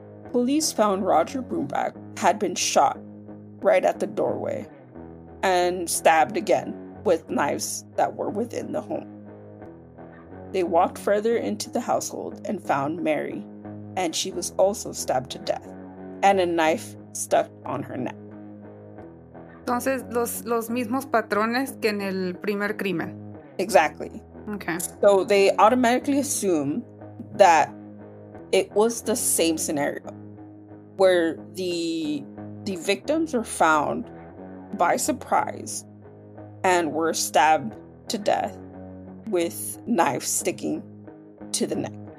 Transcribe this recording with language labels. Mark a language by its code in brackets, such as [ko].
[en] Police found Roger Brumback had been shot right at the doorway and stabbed again with knives that were within the home. They walked further into the household and found Mary, and she was also stabbed to death and a knife stuck on her neck. [es] Entonces, los mismos patrones que en el primer crimen. [en] Exactly. Okay. So they automatically assume that it was the same scenario where the victims were found by surprise and were stabbed to death with knives sticking to the neck.